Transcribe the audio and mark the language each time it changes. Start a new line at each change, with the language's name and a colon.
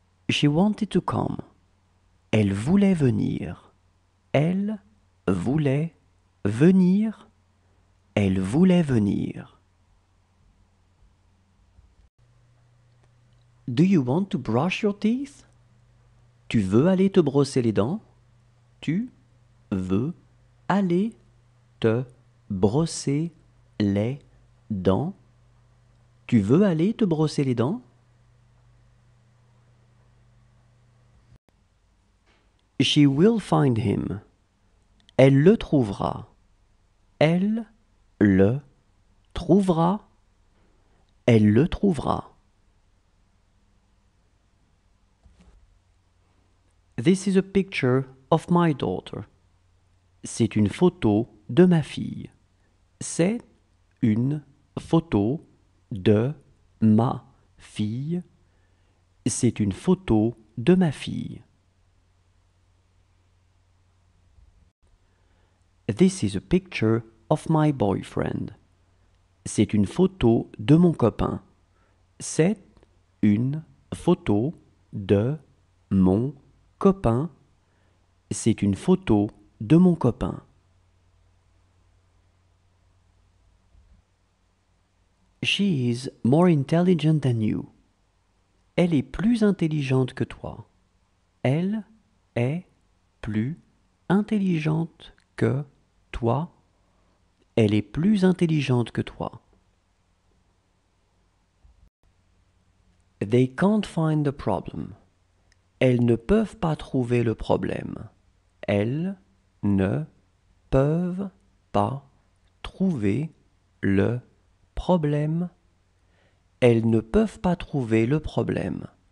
English: She wanted to come.
French: Elle voulait venir. Elle voulait venir. Elle voulait venir.
English: Do you want to brush your teeth?
French: Tu veux aller te brosser les dents? Tu veux aller te brosser les dents? Tu veux aller te brosser les dents?
English: She will find him.
French: Elle le trouvera. Elle le trouvera. Elle le trouvera.
English: This is a picture of my daughter.
French: C'est une photo de ma fille. C'est une photo de ma fille. C'est une photo de ma fille.
English: This is a picture of my boyfriend.
French: C'est une photo de mon copain. C'est une photo de mon copain. C'est une photo de mon copain.
English: She is more intelligent than you.
French: Elle est plus intelligente que toi. Elle est plus intelligente que toi. Elle est plus intelligente que toi.
English: They can't find the problem.
French: Elles ne peuvent pas trouver le problème. Elles ne peuvent pas trouver le problème. Elles ne peuvent pas trouver le problème.